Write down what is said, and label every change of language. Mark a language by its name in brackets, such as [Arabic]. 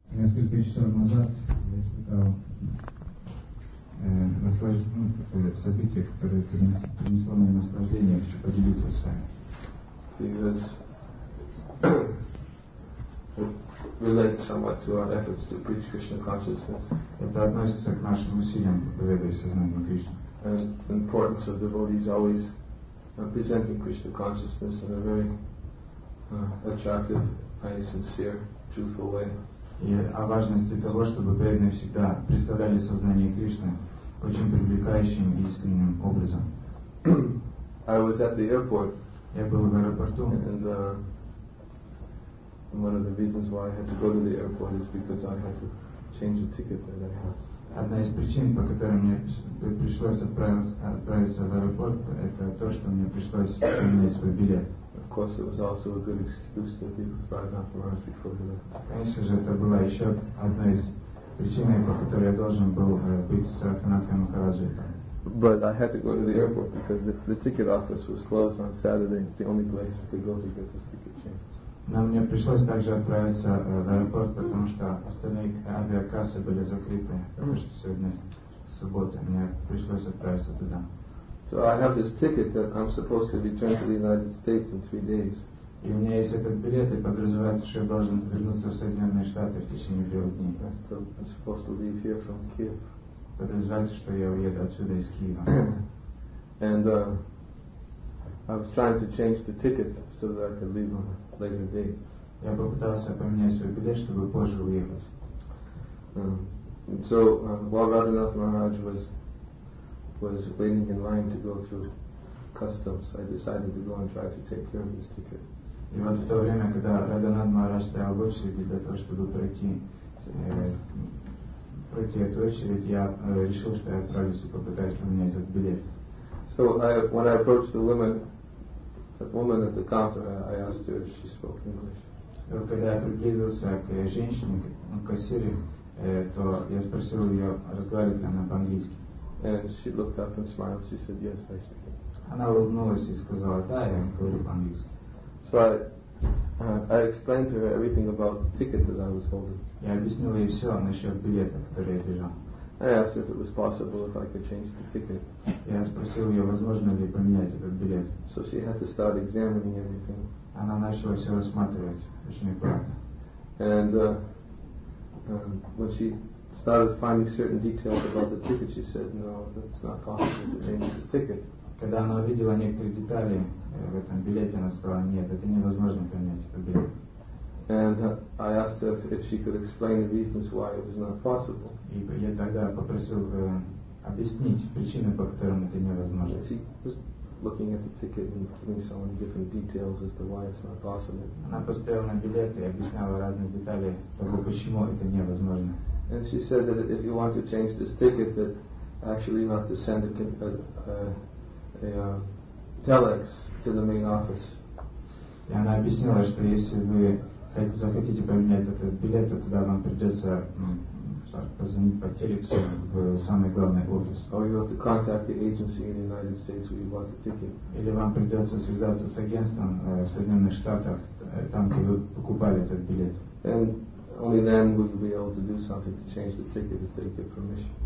[Russian] нас такое событие, которое принесло нам наслаждение, я хочу поделиться с вами. [English] Relates somewhat to our efforts to preach Krishna consciousness. [Russian] Это относится к нашим усилиям проповедовать сознание Кришны. [English] And the importance of devotees always presenting Krishna consciousness in a very attractive, highly sincere, truthful way. [Russian] И о важности того, чтобы преданные всегда представляли сознание Кришны очень привлекающим и искренним образом. [English] I was at the airport. [Russian] Я был в аэропорту. [English] And one of the reasons why I had to go to the airport is because I had to change a ticket that I had. [Russian] Одна из причин, по которой мне пришлось отправиться в аэропорт, это то, что мне пришлось поменять свой билет. [English] Of course, it was also a good excuse to be with Raghunath Maharaj before the left. [Russian] Конечно же, это была еще одна из причин, по которой я должен был быть с Раганатхой Махараджи. [English] But I had to go to the airport because the ticket office was closed on Saturday. It's the only place I could go to get this ticket changed. [Russian] Но мне пришлось также отправиться в аэропорт, потому что остальные авиакассы были закрыты, потому что сегодня суббота. Мне пришлось отправиться туда. [English] So I have this ticket that I'm supposed to return to the United States in 3 days. [Russian] И у меня есть этот билет, и подразумевается, что я должен вернуться в Соединенные Штаты в течение 3 дней. [English] So I'm supposed to leave here from Kiev. [Russian] Подразумевается, что я уеду отсюда из Киева. [English] And I was trying to change the ticket so that I could leave on it. Later day. [Russian] Я попытался поменять свой билет, чтобы позже уехать. [English] So while Raghunath Maharaj was waiting in line to go through customs, I decided to go and try to take care of his ticket. [Russian] И вот в то время, когда Раганат Махарадж стоял в очереди для того, чтобы пройти эту очередь, я решил, что я отправлюсь и попытаюсь поменять этот билет. [English] So when I approached the woman. That woman at the counter, I asked her if she spoke English. [Russian] Вот когда я приблизился к женщине, к кассире, то я спросил ее, разговаривает ли она по-английски. [English] And she looked up and smiled. She said, "Yes, I speak." [Russian] Она улыбнулась и сказала, да, я говорю по-английски. [English] So I explained to her everything about the ticket that I was holding. [Russian] Я объяснил ей все насчет билета, который я держал. [English] I asked if it was possible if I could change the ticket. [Russian] Я спросил ее, возможно ли поменять этот билет. [English] So she had to start examining everything. [Russian] Она начала все рассматривать очень аккуратно. [English] And when she started finding certain details about the ticket, she said, "No, that's not possible to change this ticket." [Russian] Когда она увидела некоторые детали в этом билете, она сказала, "Нет, это невозможно поменять этот билет." [English] And I asked her if she could explain the reasons why it was not possible. [Russian] И я тогда попросил объяснить причины, по которым это невозможно. [English] She was looking at the ticket and giving so many different details as to why it's not possible. [Russian] Она посмотрела на билет и объясняла разные детали того, почему это невозможно. [English] And she said that if you want to change this ticket, that actually you have to send a telex to the main office. [Russian] И она объяснила, что если вы захотите поменять этот билет, то тогда вам придется позвонить по телексу в самый главный офис. [English] Or you have to contact the agency in the United States where you bought the ticket. [Russian] Или вам придется связаться с агентством в Соединенных Штатах, там, где вы покупали этот билет. [English] And only then would you be able to do something to change the ticket if they give permission.